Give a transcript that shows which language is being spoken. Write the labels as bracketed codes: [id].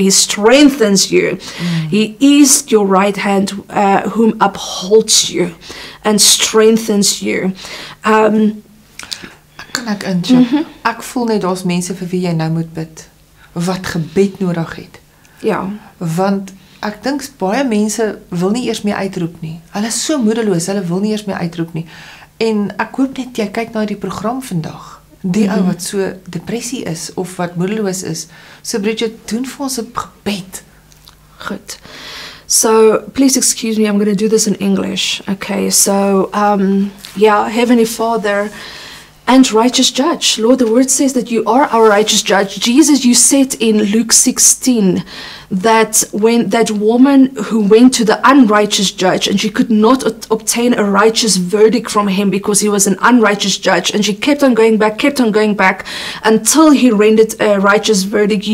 [en] He is your right hand, whom upholds you and strengthens you. [af] Kan ek intjep? Mm-hmm. Ek voel net als mense vir wie jy nou moet bid, wat gebed nodig het. Ja. Want ek dink baie mense wil nie eers meer uitroep nie. Hulle is so moedeloos, hulle wil nie eers meer uitroep nie. En ek hoop net jy kyk na die program vandag. Die ou wat so depressie is of wat moedeloos is, so Bridget, doen vir ons 'n gebed. Goed. [en] So, please excuse me, I'm going to do this in English. Okay. So, Heavenly Father, and righteous judge. Lord, the word says that you are our righteous judge. Jesus, you said in Luke 16 that when that woman who went to the unrighteous judge and she could not obtain a righteous verdict from him because he was an unrighteous judge, and she kept on going back until he rendered a righteous verdict.